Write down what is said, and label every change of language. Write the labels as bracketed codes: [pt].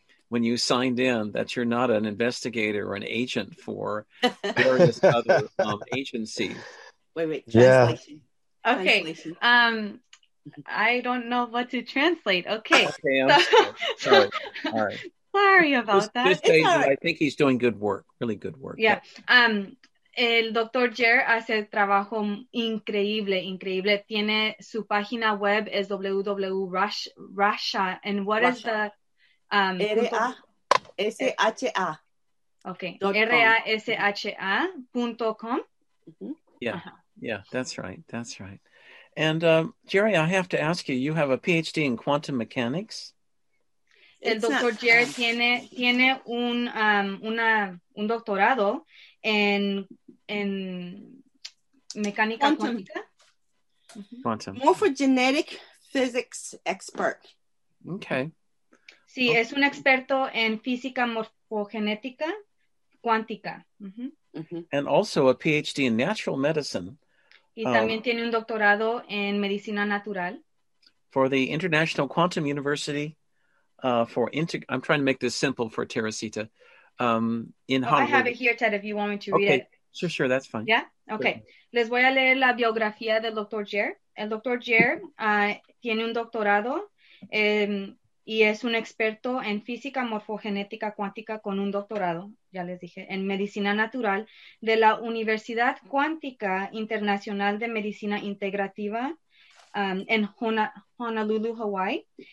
[en] When you signed in, that you're not an investigator or an agent for various other agencies. Wait, translation. Yeah. Okay. Translation. I don't know what to translate. Okay. Okay, I'm sorry. Sorry about that. I think he's doing good work, really good work. [es] Yeah. El Dr. Jer hace trabajo increíble, increíble. Tiene su página web, es www.rasha. [en] And what Russia. Is the... R-A-S-H-A. Okay. R-A-S-H-A.com. Yeah. Uh-huh. Yeah, that's right. That's right. And Jerry, I have to ask you, you have a PhD in quantum mechanics? [es] El doctor Jerry tiene un doctorado en mecánica cuántica. [en] Quantum. Mm-hmm. More for genetic physics expert. Okay. [es] Sí, es un experto en física morfogenética cuántica. Mm-hmm. [en] And also a PhD in natural medicine. [es] Y también tiene un doctorado en medicina natural. [en] For the International Quantum University, I'm trying to make this simple for Teresita, in Hollywood. I have it here, Ted, if you want me to read it. Okay, sure, that's fine. Yeah? Okay. Sure. [es] Les voy a leer la biografía del Dr. Jer. El Dr. Jer tiene un doctorado en... Y es un experto en física morfogenética cuántica con un doctorado, ya les dije, en medicina natural de la Universidad Cuántica Internacional de Medicina Integrativa en Honolulu, Hawaii.